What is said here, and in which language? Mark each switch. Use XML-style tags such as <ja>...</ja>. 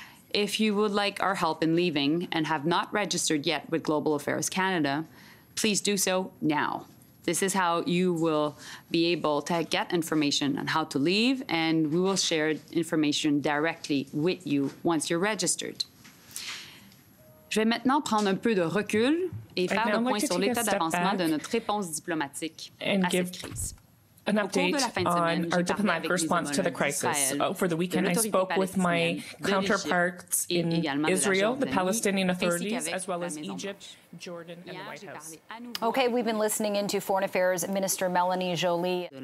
<en>If you would like our help in leaving and have not registered yet with Global Affairs Canada, please do so now. This is how you will be able to get information on how to leave, and we will share information directly with you once you're registered.</en> <fr>Je vais maintenant prendre un peu de recul et faire le point sur l'état d'avancement de notre réponse diplomatique à cette crise.</fr> <en>An update on our diplomatic response to the crisis. Over the weekend, I spoke with my counterparts in Israel, the Palestinian authorities, as well as Egypt, Jordan, and the White House. Okay, we've been listening into Foreign Affairs Minister Melanie Joly.</en>